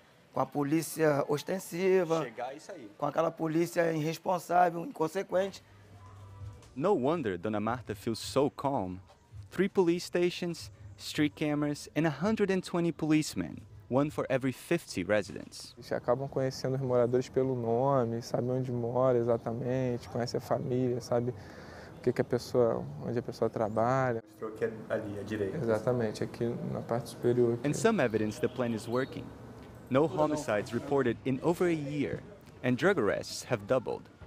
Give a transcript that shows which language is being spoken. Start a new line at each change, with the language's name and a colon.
Portuguese: Com a polícia ostensiva, com aquela polícia irresponsável, inconsequente.
English: No wonder Dona Marta feels so calm. 3 police stations, street cameras, and 120 policemen, one for every 50 residents.
Portuguese: Eles acabam conhecendo os moradores pelo nome, sabe onde mora exatamente, conhece a família, sabe o que que a pessoa, onde a pessoa trabalha. Mostrou que é ali, à direita. Exatamente, aqui na parte superior.
English: And some evidence the plan is working. No homicides reported in over a year, and drug arrests have doubled.